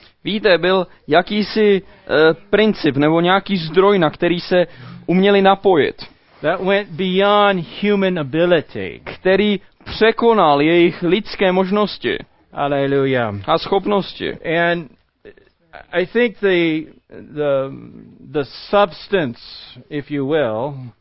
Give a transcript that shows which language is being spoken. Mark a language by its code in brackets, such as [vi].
[cs] Víte, byl jakýsi princip nebo nějaký zdroj, na který se uměli napojit. [en] That went beyond human ability. [cs] Který překonal jejich lidské možnosti. Alleluja. A schopnosti. [en] And I think the substance, if you will.